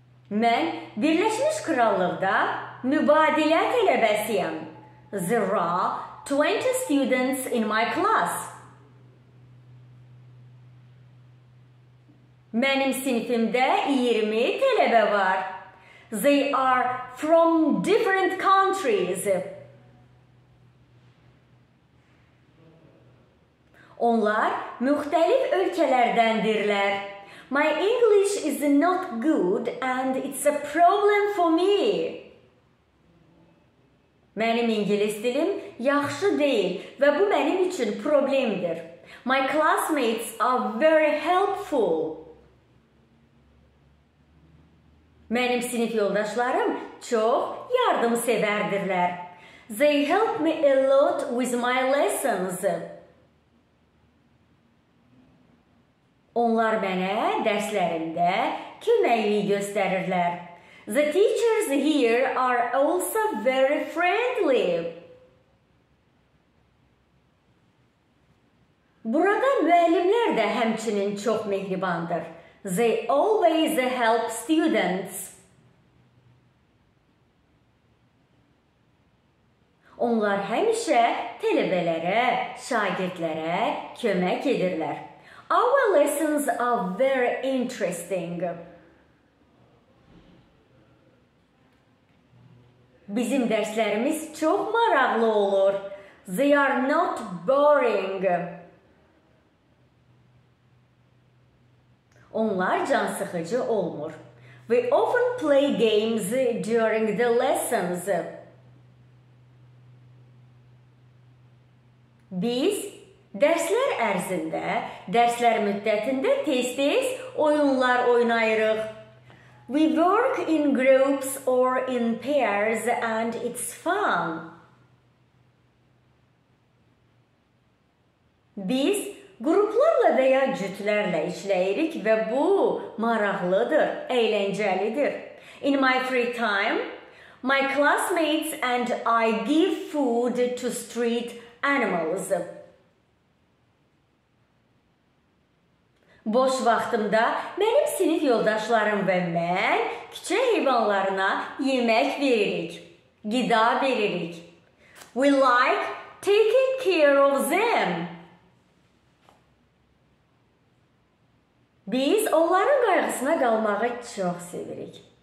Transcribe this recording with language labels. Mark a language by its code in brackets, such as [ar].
[az] Mən Birləşmiş Krallıqda mübadilə tələbəsiyəm. [en] There are 20 students in my class. [az] Mənim sinifimdə 20 tələbə var. [en] They are from different countries. [az] Onlar müxtəlif ölkələrdəndirlər. [en] My English is not good and it's a problem for me. [az] Mənim ingilis dilim yaxşı deyil və bu mənim üçün problemdir. [en] My classmates are very helpful. [az] Mənim sinif yoldaşlarım çox yardımsevərdirlər. [en] They help me a lot with my lessons. [az] Onlar mənə dərslərimdə köməkliyi göstərirlər. [en] The teachers here are also very friendly. [az] Burada müəllimlər də həmçinin çox mehribandır. [en] They always help students. [az] Onlar həmişə tələbələrə, şagirdlərə kömək edirlər. [en] Our lessons are very interesting. [az] Bizim derslerimiz çok maraqlı olur. [en] They are not boring. [az] Onlar can sıxıcı olmur. [en] We often play games during the lessons. [az] Biz dərslər ərzində, dərslər müddətində tez-tez oyunlar oynayırıq. [en] We work in groups or in pairs and it's fun. [az] Biz qruplarla və ya cütlərlə işləyirik və bu maraqlıdır, əyləncəlidir. [en] In my free time, my classmates and I give food to street animals. [az] Boş vaxtımda mənim sinif yoldaşlarım və mən küçək heyvanlarına yemək veririk, qida veririk. [en] We like taking care of them. [az] Biz onların qayğısına qalmağı çox sevirik.